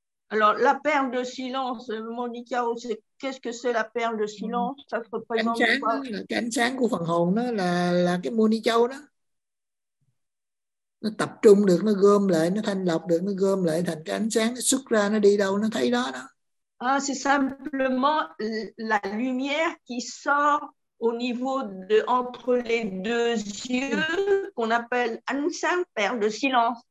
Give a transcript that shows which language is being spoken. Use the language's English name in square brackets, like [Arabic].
[French] Alors, la perle de silence, Monica, qu'est-ce que c'est la perle de silence? Ça se représente quoi? [Vietnamese] Cái ánh sáng của phần hồn đó là cái Monica đó. Nó tập trung được, nó gom lại, nó thanh lọc được, nó gom lại thành cái ánh sáng, nó xuất ra, nó đi đâu, nó thấy đó đó. [French] Ah, c'est simplement la lumière qui sort au niveau de, entre les deux yeux, qu'on appelle ánh sáng, perle de silence.